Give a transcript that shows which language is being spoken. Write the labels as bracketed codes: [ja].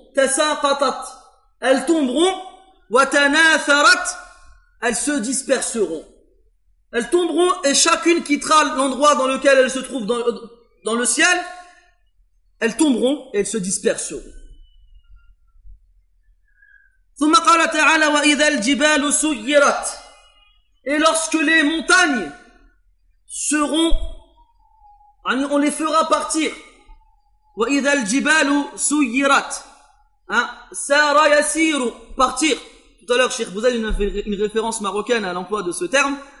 [ar] تَسَاقَطَتْ [fr] elles tomberont. [ar] وَتَنَاثَرَتْ [fr] elles se disperseront. Elles tomberont et chacune quittera l'endroit dans lequel elles se trouvent dans le ciel. Elles tomberont et elles se disperseront. [ar] ثم قال تعالى وإذا الجبال سيرت. [fr] Et lorsque les montagnes seront, on les fera partir. [ar] وإذا الجبال سيرت. [fr] Hein, [ar] سار يسير, [fr] partir. Tout à l'heure, Cheikh Bouzaïd a fait une référence marocaine à l'emploi de ce terme.